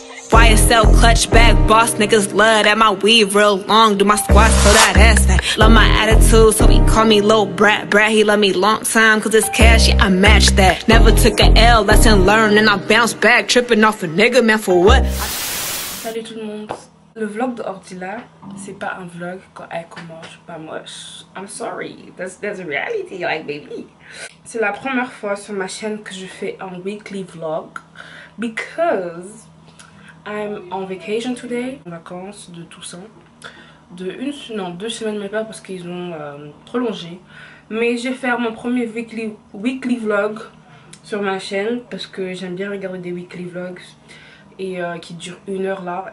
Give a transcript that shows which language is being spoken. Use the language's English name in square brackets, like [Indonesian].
[English] YSL clutch back, boss niggas love that. My weave real long, do my squats so that ass fat. Love my attitude, so he call me Lil Brat. Brat, he love me long time, cause it's cash, yeah, I match that. Never took a L, lesson learned, and I bounce back. Tripping off a nigga, man, for what? [French] Salut tout le monde. Le vlog de Ordila, c'est pas un vlog quand elle commence, pas moi. [English] I'm sorry, that's a reality, like baby. [French] C'est la première fois sur ma chaîne que je fais un weekly vlog. [English] Because I'm on vacation today, [French] en vacances de Toussaint, deux semaines même pas parce qu'ils ont prolongé. Mais j'ai fait mon premier weekly vlog sur ma chaîne parce que j'aime bien regarder des weekly vlogs et qui durent une heure là.